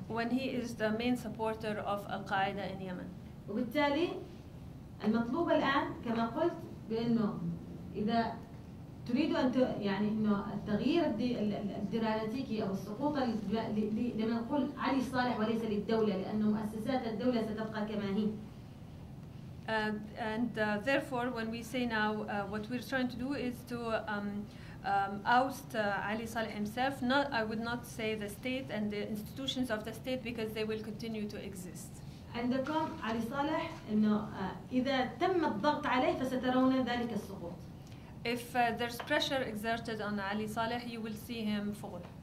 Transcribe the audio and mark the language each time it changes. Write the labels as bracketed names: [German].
[English] When he is the main supporter of Al-Qaeda in Yemen. [Arabic] وبالتالي المطلوب الآن كما قلت بأنه إذا تريد أن يعني إنه التغيير الديرالاتيكي أو السقوط لما نقول علي صالح وليس للدولة لأن مؤسسات الدولة ستبقى كما هي. [English] And therefore, when we say now, what we're trying to do is to oust Ali Saleh himself. Not, I would not say the state and the institutions of the state because they will continue to exist. [Arabic] عندكم علي صالح إنه إذا تم الضغط عليه فسترون ذلك السقوط. [English] If there's pressure exerted on Ali Saleh, you will see him fall.